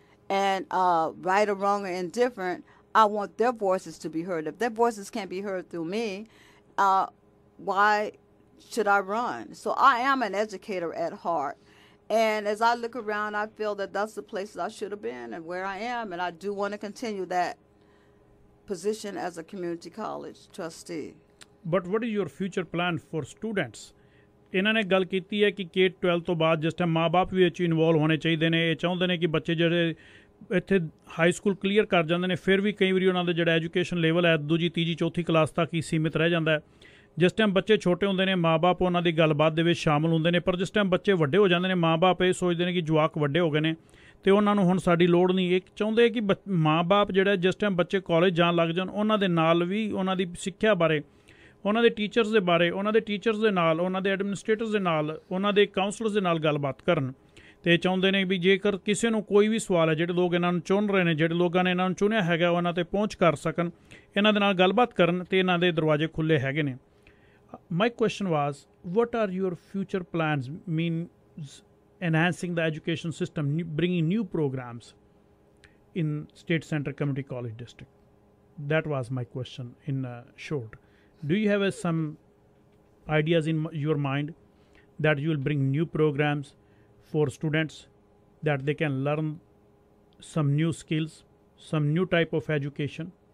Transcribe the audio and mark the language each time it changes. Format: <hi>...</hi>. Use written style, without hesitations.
<en>And right or wrong or indifferent, I want their voices to be heard. If their voices can't be heard through me, why should I run? So I am an educator at heart. And as I look around, I feel that that's the place that I should have been and where I am. And I do want to continue that position as a community college trustee. But what is your future plan for students?</en> <pa>ਇਹਨਾਂ ਨੇ ਗੱਲ ਕੀਤੀ ਹੈ ਕਿ Kate 12 ਤੋਂ ਬਾਅਦ ਜਿਸ time ਮਾਂ ਬਾਪ ਵੀ ਇਹ 'ਚ ਇਨਵੋਲਵ ਹੋਣੇ ਚਾਹੀਦੇ ਨੇ, ਇਹ ਚਾਹੁੰਦੇ ਨੇ ਕਿ ਬੱਚੇ ਜਿਹੜੇ ਇੱਥੇ ਹਾਈ ਸਕੂਲ ਕਲੀਅਰ ਕਰ ਜਾਂਦੇ ਨੇ, ਫਿਰ ਵੀ ਕਈ ਵਾਰੀ ਉਹਨਾਂ ਦਾ ਜਿਹੜਾ ਐਜੂਕੇਸ਼ਨ ਲੈਵਲ ਹੈ ਦੂਜੀ ਤੀਜੀ ਚੌਥੀ ਕਲਾਸ ਤੱਕ ਹੀ ਸੀਮਿਤ ਰਹਿ ਜਾਂਦਾ। ਜਿਸ ਟਾਈਮ ਬੱਚੇ ਛੋਟੇ ਹੁੰਦੇ ਨੇ ਮਾਂ ਬਾਪ ਉਹਨਾਂ ਦੀ ਗੱਲਬਾਤ ਦੇ ਵਿੱਚ ਸ਼ਾਮਿਲ ਹੁੰਦੇ ਨੇ, ਪਰ ਜਿਸ ਟਾਈਮ ਬੱਚੇ ਵੱਡੇ ਹੋ ਜਾਂਦੇ ਨੇ, ਮਾਂ ਬਾਪ ਇਹ ਸੋਚਦੇ ਨੇ ਕਿ ਜਵਾਕ ਵੱਡੇ ਹੋ ਗਏ ਨੇ ਅਤੇ ਉਹਨਾਂ ਨੂੰ ਹੁਣ ਸਾਡੀ ਲੋੜ ਨਹੀਂ। ਇਹ ਚਾਹੁੰਦੇ ਕਿ ਮਾਂ ਬਾਪ ਜਿਹੜਾ ਜਿਸ ਟਾਈਮ ਬੱਚੇ ਕਾਲਜ ਜਾਣ ਲੱਗ ਜਾਣ, ਉਹਨਾਂ ਦੇ ਨਾਲ ਵੀ ਉਹਨਾਂ ਦੀ ਸਿੱਖਿਆ ਬਾਰੇ, ਉਹਨਾਂ ਦੇ ਟੀਚਰਸ ਦੇ ਬਾਰੇ, ਉਹਨਾਂ ਦੇ ਟੀਚਰਸ ਦੇ ਨਾਲ, ਉਹਨਾਂ ਦੇ ਐਡਮਿਨਿਸਟ੍ਰੇਟਰਸ ਦੇ ਨਾਲ, ਉਹਨਾਂ ਦੇ ਕਾਉਂਸਲਰਸ ਦੇ ਨਾਲ ਗੱਲਬਾਤ ਕਰਨ। ਅਤੇ ਚਾਹੁੰਦੇ ਨੇ ਵੀ ਜੇਕਰ ਕਿਸੇ ਨੂੰ ਕੋਈ ਵੀ ਸਵਾਲ ਹੈ, ਜਿਹੜੇ ਲੋਕ ਇਹਨਾਂ ਨੂੰ ਚੁਣ ਰਹੇ ਨੇ, ਜਿਹੜੇ ਲੋਕਾਂ ਨੇ ਇਹਨਾਂ ਨੂੰ ਚੁਣਿਆ ਹੈਗਾ, ਉਹਨਾਂ 'ਤੇ ਪਹੁੰਚ ਕਰ ਸਕਣ, ਇਹਨਾਂ ਦੇ ਨਾਲ ਗੱਲਬਾਤ ਕਰਨ, ਅਤੇ ਇਹਨਾਂ ਦੇ ਦਰਵਾਜ਼ੇ ਖੁੱਲ੍ਹੇ ਹੈਗੇ ਨੇ।</pa> <en>My question was, what are your future plans, mean enhancing the education system, bringing new programmes in state centre community college district? That was my question in short. Do you have some ideas in your mind that you will bring new programs for students that they can learn some new skills, some new type of education?</en>